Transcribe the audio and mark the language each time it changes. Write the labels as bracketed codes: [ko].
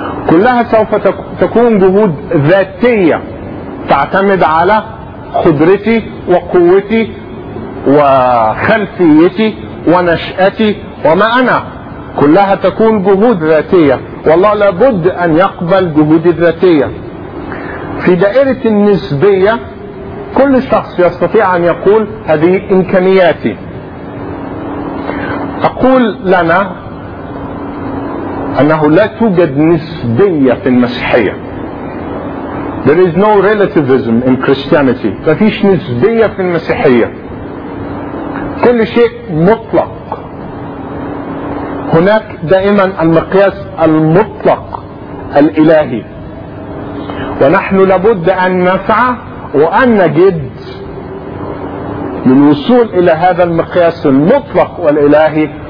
[ar] كلها سوف تكون جهود ذاتية تعتمد على خبرتي وقوتي وخلفيتي ونشأتي وما انا، كلها تكون جهود ذاتية، والله لابد ان يقبل جهودي الذاتية. في دائرة النسبية كل شخص يستطيع ان يقول هذه امكانياتي، تقول لنا أنه لا توجد نسبية في المسيحية. [en] There is no relativism in Christianity. [ar] لا فيش نسبية في المسيحية. كل شيء مطلق. هناك دائما المقياس المطلق الإلهي. ونحن لابد أن نسعى وأن نجد من الوصول إلى هذا المقياس المطلق والإلهي.